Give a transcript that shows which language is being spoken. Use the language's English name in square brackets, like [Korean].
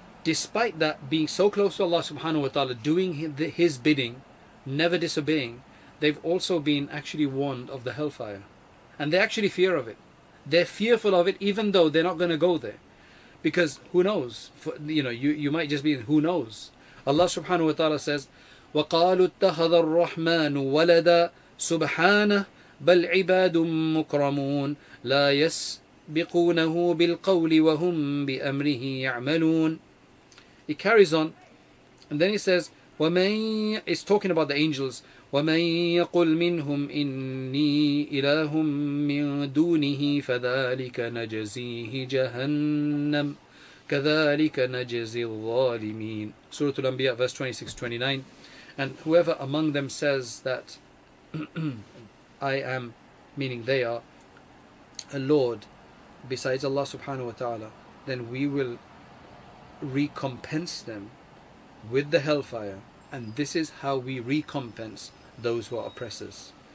[English] Despite that, being so close to Allah subhanahu wa ta'ala, doing His bidding, never disobeying, they've also been actually warned of the hellfire. And they actually fear of it. They're fearful of it, even though they're not going to go there. Because who knows? You might just be, who knows? Allah subhanahu wa ta'ala says, [Arabic] وَقَالُوا اتَّخَذَ الرَّحْمَنُ وَلَدَ سُبْحَانَهُ بَلْ عِبَادٌ مُكْرَمُونَ لَا يَسْبِقُونَهُ بِالْقَوْلِ وَهُمْ بِأَمْرِهِ يَعْمَلُونَ [English] It carries on. And then he says, it's talking about the angels. [Arabic] وَمَنْ يَقُلْ مِنْهُمْ إِنِّي إِلَهٌ مِّن دُونِهِ فَذَٰلِكَ نَجَزِيهِ جَهَنَّمْ كَذَٰلِكَ نَجَزِي الظَّالِمِينَ [English] Surah Al-Anbiya, verse 26-29. And whoever among them says that I am, meaning they are, a Lord besides Allah subhanahu wa ta'ala, then we will recompense them with the hellfire. And this is how we recompense those who are oppressors.